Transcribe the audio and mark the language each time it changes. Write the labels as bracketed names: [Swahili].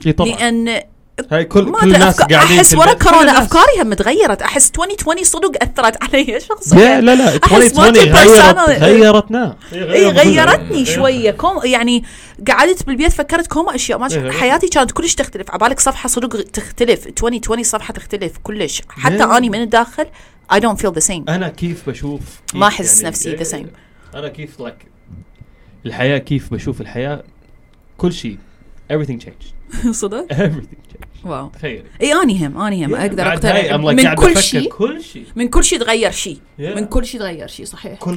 [Arabic] لان هاي كل الناس قاعدين احس ورا كورونا افكاري هم تغيرت. احس 2020 صدق اثرت علي شخصيا. لا لا 2020 غيرتنا, غيرتني شويه كوم. يعني قعدت بالبيت فكرت كوم اشياء ما حياتي كانت كلش تختلف. عبالك صفحه صدق تختلف, 2020 صفحه تختلف كلش. حتى اني من الداخل [English] I don't feel the same. [Arabic] انا كيف بشوف كيف ما احس يعني نفسي [English] the same. [Arabic] انا كيف الحياه, كيف بشوف الحياه, كل شيء [English] everything changed. [Arabic] صدق [English] everything. [Arabic] واو تخيل. اي اني هم اقدر اقتنع من كل شيء. من كل شيء تغير شيء. من كل شيء تغير شيء صحيح.